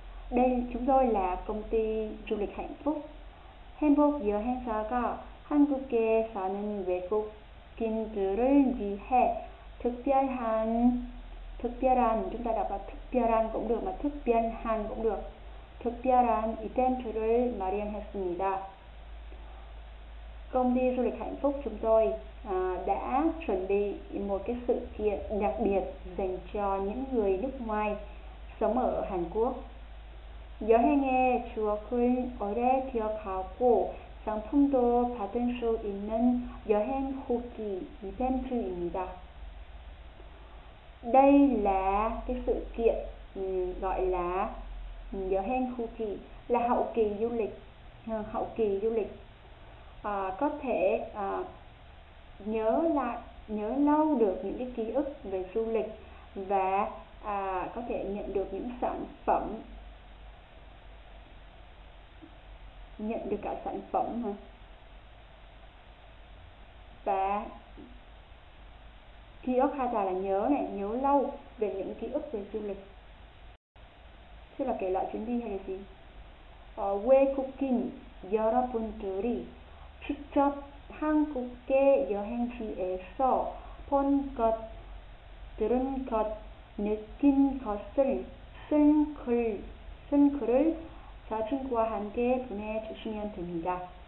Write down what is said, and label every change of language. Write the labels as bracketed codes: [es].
[vi] Đây chúng tôi là công ty du lịch hạnh phúc. [ko] Hanbok Yeohaengsa가 한국에 사는 외국인들을 위해 특별한 [vi] chúng ta đọc là특별한 cũng được mà특별한 cũng được. [ko] 특별한 이벤트를 마련했습니다. [vi] Công ty du lịch hạnh phúc chúng tôi đã chuẩn bị một cái sự kiện đặc biệt dành cho những người nước ngoài sống ở Hàn Quốc. [ko] 여행의 추억을 오래 기억하고 상품도 받을 수 있는 여행 후기 이벤트입니다. [vi] Đây là cái sự kiện gọi là Yeohaeng Hoki, là hậu kỳ du lịch, hậu kỳ du lịch. Có thể nhớ lại, nhớ lâu được những cái ký ức về du lịch và có thể nhận được những sản phẩm, nhận được cả sản phẩm mà. Và ký ức hay là nhớ này, nhớ lâu về những ký ức về du lịch. Tức là kể lại chuyến đi hay gì? [ko] 외국인 여러분들이 직접 한국의 여행지에서 본 것, 들은 것, 느낀 것을 쓴 글을 사진과 함께 보내주시면 됩니다.